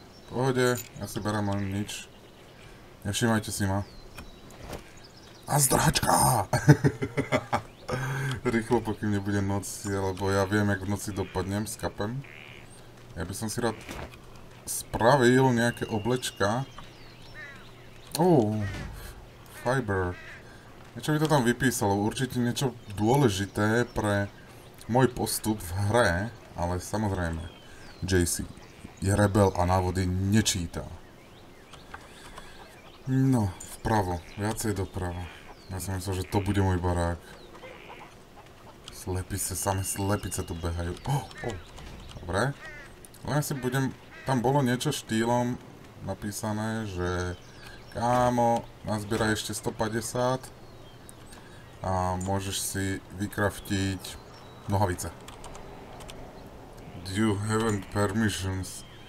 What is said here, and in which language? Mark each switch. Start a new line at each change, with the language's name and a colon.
Slovak: Pohode, ja si berám len nič. Nevšímajte si ma. A zdrhačka! Rýchlo, pokým nebude noc, lebo ja viem, jak v noci dopadnem s kapem. Ja by som si rád... spravil nejaké oblečka.
English: Oh, fiber.
Slovak: Niečo by to tam vypísalo, určite niečo dôležité pre môj postup v hre, ale samozrejme, JC je rebel a návody nečítá. No, vpravo, viacej doprava. Ja som myslel, že to bude môj barák. Slepice, same slepice tu behajú. Dobre. Len si budem... Tam bolo niečo štýlom napísané, že kámo, nazbieraj ešte 150 a môžeš si vykraftiť nohavice.
English: Do you have permissions?